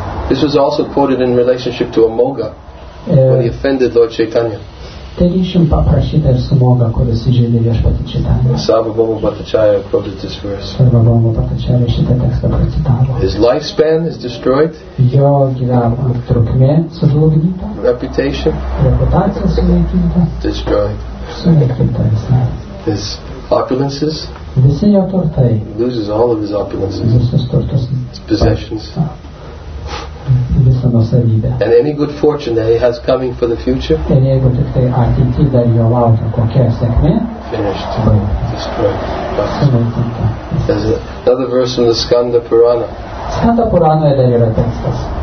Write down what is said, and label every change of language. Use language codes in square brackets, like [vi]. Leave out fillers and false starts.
[en] This was also quoted in relationship to Amoga when he offended Lord Chaitanya. [lt] Taigi šim paprašyta ir smoga, kuris įžeidė viešpatį Čaitanyą. [en] Sarvabhauma Bhattacharya quoted this verse. [lt] Sarvabhauma Bhattacharya šitą tekstą pracitavo. [en] His lifespan is destroyed. [lt] Jo gyvenimo trukmė sužlugdyta. [en] Reputation. [lt] Reputacija sunaikinta. [en] Destroyed. [lt] Sunaikinta visa. [en] His opulences. [lt] Visi jo turtai. [en] Loses all of his opulences. [lt] Visus turtus. [en] His possessions. [lt] Visą nuosavybę. [en] And any good fortune that he has coming for the future. [lt] Ir jeigu tik tai ateity dar jo laukia kokia sėkmė. [en] Finished. There's another verse from the Skanda Purana. [lt] Skanda Purana yra dar tekstas.